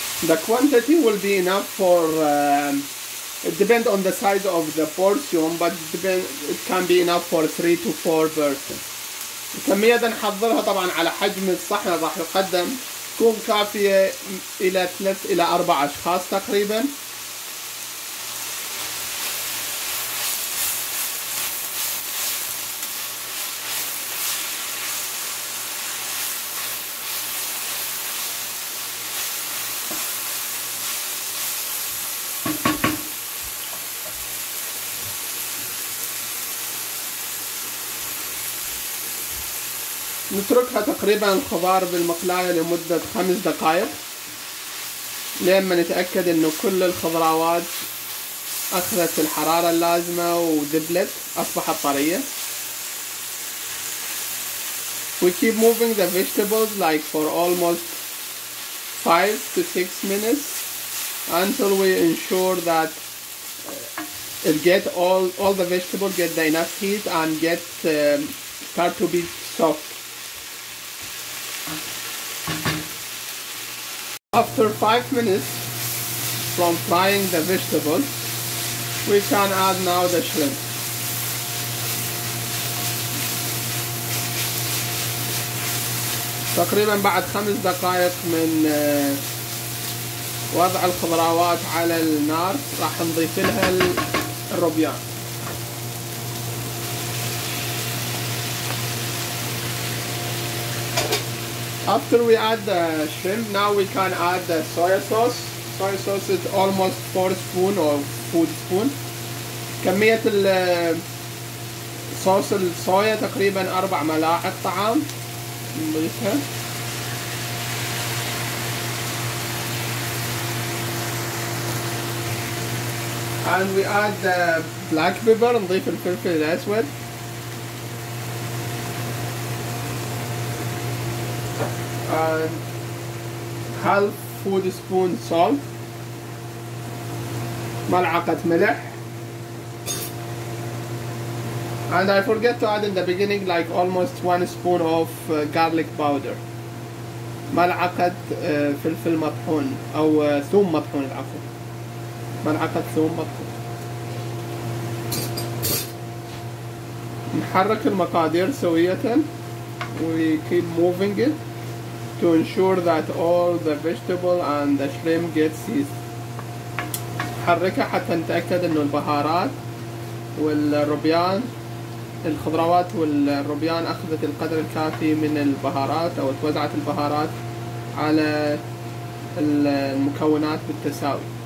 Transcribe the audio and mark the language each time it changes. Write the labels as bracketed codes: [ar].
[en] The quantity will be enough for it depend on the size of the portion, but it can be enough for 3 to 4 persons. [ar] الكمية ده نحضرها طبعا على حجم الصحن راح يقدم تكون كافية إلى 3 إلى 4 أشخاص تقريبا. [en] Thank you. [ar] نتركها تقريبا الخضار بالمقلاية لمدة 5 دقائق لما نتأكد انه كل الخضروات اخذت الحرارة اللازمة ودبلت اصبحت طرية. [en] We keep moving the vegetables like for almost 5 to 6 minutes until we ensure that it get all the vegetables get the enough heat and get start to be soft. After 5 minutes from frying the vegetables, we can add now the shrimp. [ar] تقريبا بعد 5 دقائق من وضع الخضروات على النار راح نضيف لها الروبيان. [en] After we add the shrimp, now we can add the soy sauce. Soy sauce is almost 4 spoon or 4 spoon. [ar] كمية الصوص الصويا تقريبا 4 ملاعق طعام نضيفها. [en] And we add the black pepper, [ar] نضيف الفلفل الأسود. [en] And half 1/2 spoon salt. [ar] ملعقة ملح. [en] And I forget to add in the beginning like almost 1 spoon of garlic powder. [ar] ملعقة فلفل مطحون أو ثوم مطحون العفو. ملعقة ثوم مطحون. نحرك المقادير سوية [en] we keep moving it to ensure that all the vegetable and the shrimp get seized. [ar] نحركها حتى نتأكد أن البهارات والربيان الخضروات والربيان أخذت القدر الكافي من البهارات أو توزعت البهارات على المكونات بالتساوي.